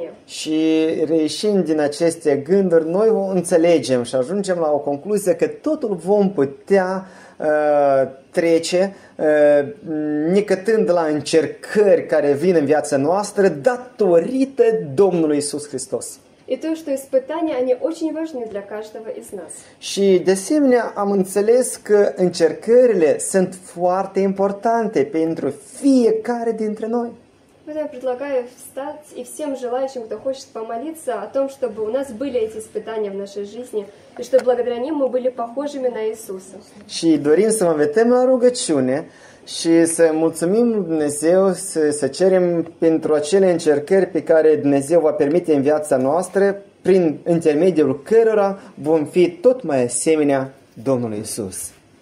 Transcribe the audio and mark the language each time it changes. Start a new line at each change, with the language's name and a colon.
Romanian: Și reieșind din aceste gânduri, noi înțelegem și ajungem la o concluzie că totul vom putea trece, necătând la încercări care vin în viața noastră, datorită Domnului Iisus Hristos.
Russian: И то, что испытания, они очень важны для каждого из нас.
Romanian: Și de asemenea am înțeles că încercările sunt foarte importante pentru fiecare dintre noi.
Russian: Я предлагаю встать и всем желающим, кто хочет помолиться о том, чтобы у нас были эти испытания в нашей жизни, и чтобы благодаря ним мы были похожими на Иисуса.
Romanian: Și dorim să mă vetem la rugăciune și să mulțumim Dumnezeu, să cerem pentru acele încercări pe care Dumnezeu va permite în viața noastră, prin intermediul cărora vom fi tot mai asemenea Domnului Iisus.